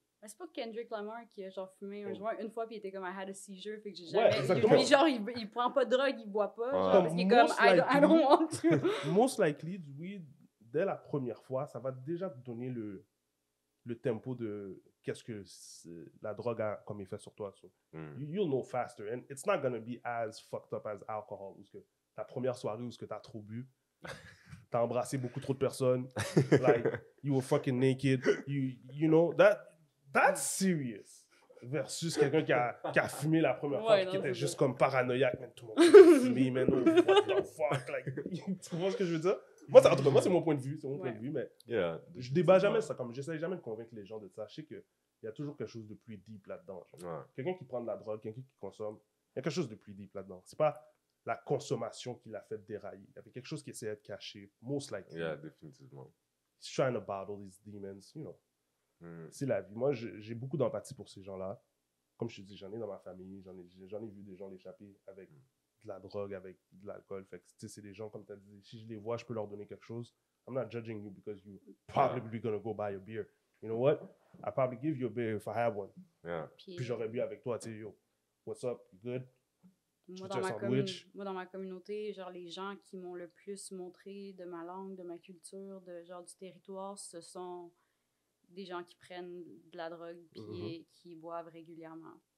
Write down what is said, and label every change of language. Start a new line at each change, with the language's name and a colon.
French: Mais c'est pas Kendrick Lamar qui a genre fumé un joint une fois puis il était comme
English: I had a seizure,
French: fait que j'ai jamais. Mais genre il prend pas de drogue, il boit pas. Ouais. Genre, parce qu'il est comme
English: I don't want to. Most likely,
French: du weed, dès la première fois, ça va déjà te donner le tempo de qu'est-ce que la drogue a comme effet sur toi.
English: So. Mm. You'll know faster and it's not gonna be as fucked up as alcohol.
French: Parce que ta première soirée où ce que t'as trop bu. T'as embrassé beaucoup trop de personnes.
English: Like, you were fucking naked. You know, that's serious.
French: Versus quelqu'un qui a fumé la première fois, qui était juste comme paranoïaque. Man, tout le monde fumé, man. Fuck, like, tu vois ce que je veux dire? Moi, en tout cas, moi, c'est mon point de vue. C'est mon point de vue, mais je débat jamais ça. Comme, j'essaie jamais de convaincre les gens de ça. Je sais qu'il y a toujours quelque chose de plus deep là-dedans. Ouais. Quelqu'un qui prend de la drogue, quelqu'un qui consomme, il y a quelque chose de plus deep là-dedans. C'est pas. La consommation qui l'a fait dérailler. Il y avait quelque chose qui essayait de cacher,
English: most likely. Yeah, définitivement. He's trying to battle these demons, you know. Mm.
French: C'est la vie. Moi, j'ai beaucoup d'empathie pour ces gens-là. Comme je te dis, j'en ai dans ma famille. J'en ai vu des gens l'échapper avec de la drogue avec de l'alcool. Fait que, tu sais, c'est des gens, comme tu as dit, si je les vois, je peux leur donner quelque chose.
English: I'm not judging you because you're probably going to go buy a beer. You know what? I'll probably give you a beer if I have one. Yeah.
French: Puis j'aurais bu avec toi, tu sais,
English: yo, what's up? Good?
French: Moi, dans ma communauté, genre, les gens qui m'ont le plus montré de ma langue, de ma culture, de genre du territoire, ce sont des gens qui prennent de la drogue puis qui boivent régulièrement.